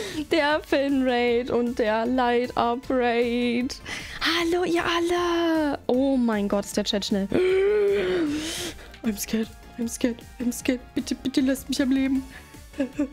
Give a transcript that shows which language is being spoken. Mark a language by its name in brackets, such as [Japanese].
[German] Der Finn-Raid und der Light-Up-Raid! Hallo, ihr alle! Oh mein Gott, ist der Chat schnell! [English] I'm scared, I'm scared, I'm scared! [German] Bitte, bitte lasst mich am Leben! Hallo!